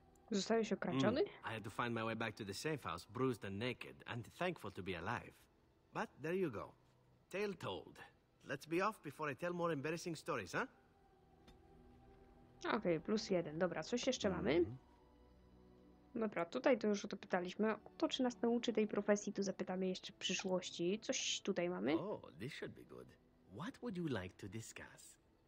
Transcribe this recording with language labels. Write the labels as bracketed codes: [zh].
[pl] Zostałeś okradziony? [en] I had to find my way back to the safe house, bruised and naked, and thankful to be alive. But there you go. Tale told. Let's be off before I tell more embarrassing stories, huh? [pl] Okej, okay, plus jeden. Dobra, coś jeszcze mamy? Dobra, tutaj to już o to pytaliśmy. To, czy nas nauczy tej profesji, tu zapytamy jeszcze w przyszłości. Coś tutaj mamy? [en] O, this should be good. What would you like to discuss?